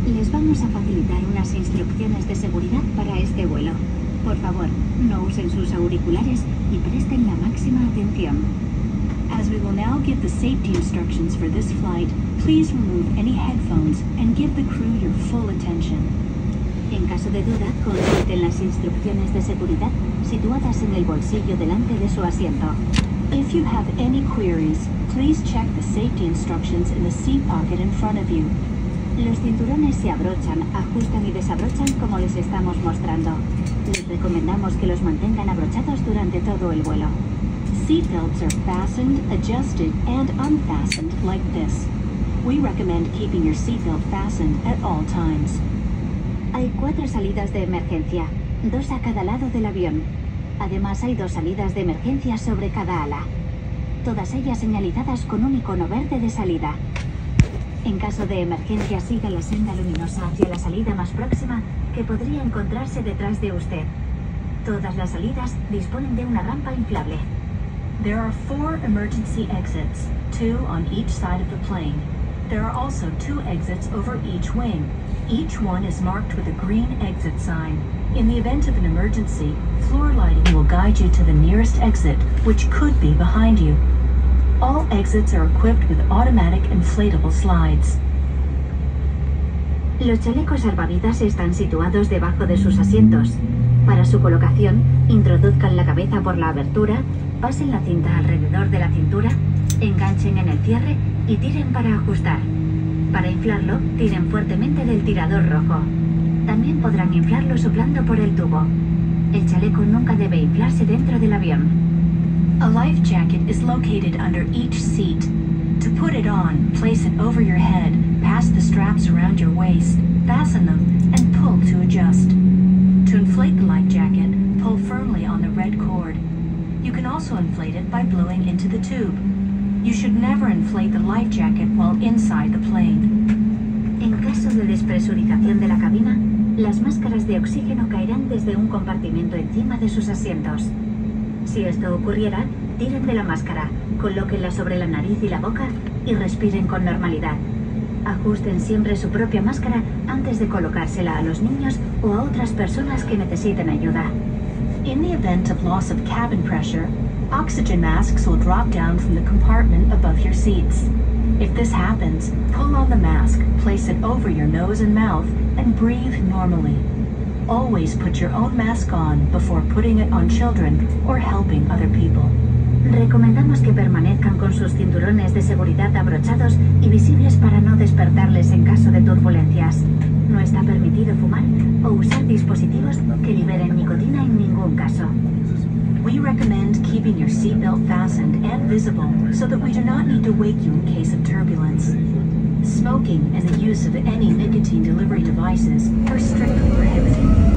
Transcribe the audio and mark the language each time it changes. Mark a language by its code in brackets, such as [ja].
[es] Vamos a facilitar unas instrucciones de seguridad para este vuelo. Por favor, no usen sus auriculares y presten la máxima atención. [en] As we will now give the safety instructions for this flight, please remove any headphones and give the crew your full attention. [es] En caso de duda, consulten las instrucciones de seguridad situadas en el bolsillo delante de su asiento. [en] If you have any queries, please check the safety instructions in the seat pocket in front of you. [es] Los cinturones se abrochan, ajustan y desabrochan como les estamos mostrando. Les recomendamos que los mantengan abrochados durante todo el vuelo. [en] Seat belts are fastened, adjusted, and unfastened like this. We recommend keeping your seat belt fastened at all times. [es] Hay cuatro salidas de emergencia, dos a cada lado del avión. Además, hay dos salidas de emergencia sobre cada ala. Todas ellas señalizadas con un icono verde de salida. En caso de emergencia, siga la senda luminosa hacia la salida más próxima que podría encontrarse detrás de usted. Todas las salidas disponen de una rampa inflable. [en] There are four emergency exits, two on each side of the plane. There are also two exits over each wing. Each one is marked with a green exit sign. In the event of an emergency, floor lighting will guide you to the nearest exit, which could be behind you. All exits are equipped with automatic inflatable slides. [es] Los chalecos salvavidas están situados debajo de sus asientos. Para su colocación, introduzcan la cabeza por la abertura, pasen la cinta alrededor de la cintura, enganchen en el cierre y tiren para ajustar. Para inflarlo, tiren fuertemente del tirador rojo. También podrán inflarlo soplando por el tubo. El chaleco nunca debe inflarse dentro del avión. [en] A life jacket is located under each seat. To put it on, place it over your head, pass the straps around your waist, fasten them, and pull to adjust. To inflate the life jacket, pull firmly on the red cord. You can also inflate it by blowing into the tube. You should never inflate the life jacket while inside the plane. [es] En caso de despresurización de la cabina, las máscaras de oxígeno caerán desde un compartimento encima de sus asientos. Si esto ocurriera, tiren de la máscara, colóquenla sobre la nariz y la boca y respiren con normalidad. Ajusten siempre su propia máscara antes de colocársela a los niños o a otras personas que necesiten ayuda. [en] In the event of loss of cabin pressure, oxygen masks will drop down from the compartment above your seats. If this happens, pull on the mask, place it over your nose and mouth, and breathe normally. Always put your own mask on before putting it on children or helping other people. [es] Recomendamos que permanezcan con sus cinturones de seguridad abrochados y visibles para no despertarles en caso de turbulencias. No está permitido fumar o usar dispositivos que liberen nicotina en ningún caso. [en] We recommend keeping your seatbelt fastened and visible so that we do not need to wake you in case of turbulence. Smoking and the use of any nicotine delivery devices are strictly prohibited.